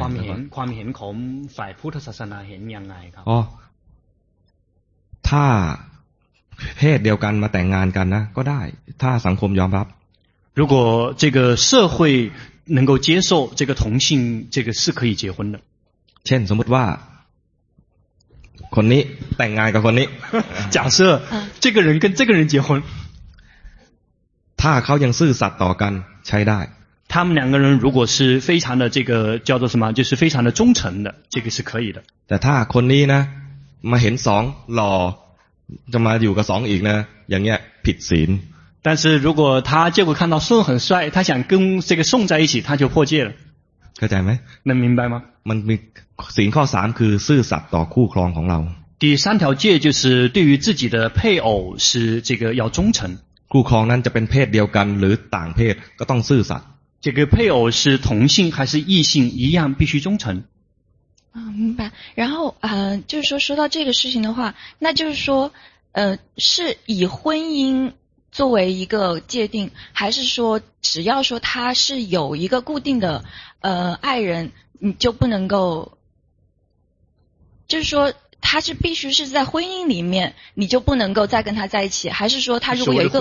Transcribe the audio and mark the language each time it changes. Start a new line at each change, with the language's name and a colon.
Thai: ความเห็นของฝ่ายพุทธศาสนาเห็นยังไงครับ อ๋อถ้าเพศเดียวกันมาแต่งงานกันนะก็ได้ถ้าสังคมยอมรับ
Chinese: 如果这个社会能够接受这个同性这个是可以结婚的
Thai: เช่นสมมติว่าคนนี้แต่งงานกับคนนี้
Chinese: 假设这个人跟这个人结婚
Thai: ถ้าเขายังซื่อสัตย์ต่อกันใช้ได้
Chinese: 他们两个人如果是非常的这个叫做什么就是非常的忠诚的这个是可以的
Thai: แต่ถ้าคนนี้นะมาเห็นสองหล่อจะมาอยู่กับสองอีกนะอย่างเงี้ยผิดศีล
Chinese: 但是如果他结果看到宋很帅他想跟这个宋在一起他就破戒了
Thai: เข้าใจไหม
Chinese: 能明白吗
Thai: มันมีสิ่งข้อสามคือซื่อสัตย์ต่อคู่ครองของเรา
Chinese: 第三条戒就是对于自己的配偶是这个要忠诚
Thai: คู่ครองนั้นจะเป็นเพศเดียวกันหรือต่างเพศก็ต้องซื่อสัตย์
Chinese: 这个配偶是同性还是异性一样必须忠诚明白然后就是说到这个事情的话那就是说是以婚姻作为一个界定还是说只要说他是有一个固定的爱人你就不能够就是说他是必须是在婚姻里面你就不能够再跟他在一起还是说他如果有一个